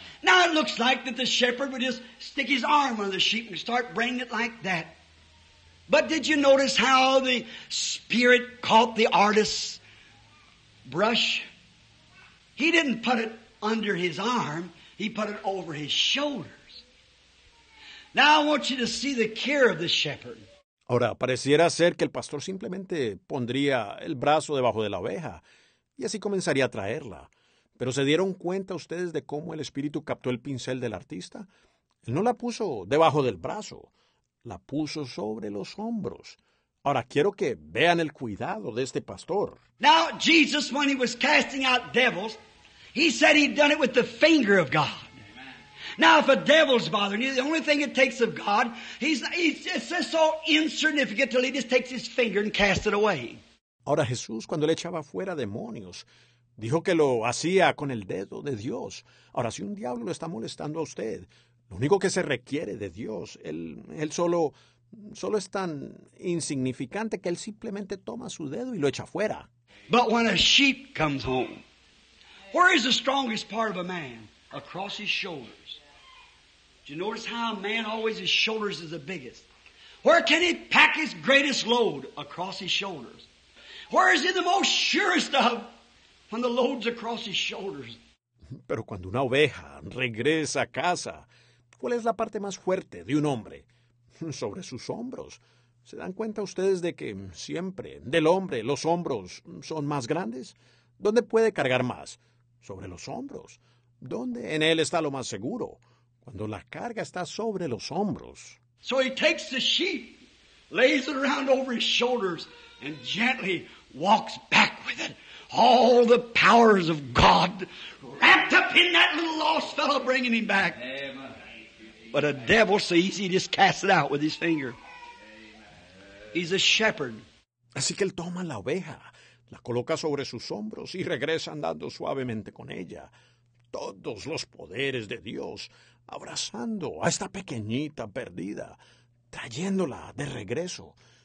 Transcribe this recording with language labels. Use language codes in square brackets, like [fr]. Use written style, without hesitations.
[en] Now it looks like that the shepherd would just stick his arm on the sheep and start bringing it like that. But did you notice how the Spirit caught the artist's brush? He didn't put it under his arm. He put it over his shoulders. Now I want you to see the care of the shepherd. [es] Ahora, pareciera ser que el pastor simplemente pondría el brazo debajo de la oveja y así comenzaría a traerla. Pero ¿se dieron cuenta ustedes de cómo el Espíritu captó el pincel del artista? Él no la puso debajo del brazo. La puso sobre los hombros. Ahora quiero que vean el cuidado de este pastor. [en] Now, Jesus, when he was casting out devils, he said he'd done it with the finger of God. Amen. Now, if a devil's bothering you, the only thing it takes of God, it's just so insignificant till he just takes his finger and casts it away. [es] Ahora, Jesús, cuando le echaba fuera demonios, dijo que lo hacía con el dedo de Dios. Ahora, si un diablo lo está molestando a usted, Lo único que se requiere de Dios, él solo es tan insignificante que él simplemente toma su dedo y lo echa fuera. [en] But when a sheep comes home, where is the strongest part of a man? Across his shoulders. Do you notice how a man always his shoulders is the biggest? Where can he pack his greatest load? Across his shoulders. Where is he the most surest of? When the load's across his shoulders. [es] Pero cuando una oveja regresa a casa, ¿cuál es la parte más fuerte de un hombre? Sobre sus hombros. ¿Se dan cuenta ustedes de que siempre, del hombre, los hombros son más grandes? ¿Dónde puede cargar más? Sobre los hombros. ¿Dónde en él está lo más seguro? Cuando la carga está sobre los hombros. [en] So he takes the sheep, lays it around over his shoulders, and gently walks back with it. All the powers of God wrapped up in that little lost fellow bringing him back. But a devil sees, he just casts it out with his finger. He's a shepherd. [es] Así que él toma la oveja, la coloca sobre sus hombros y regresa andando suavemente con ella. Todos los poderes de Dios abrazando a esta pequeñita perdida, trayéndola de regreso.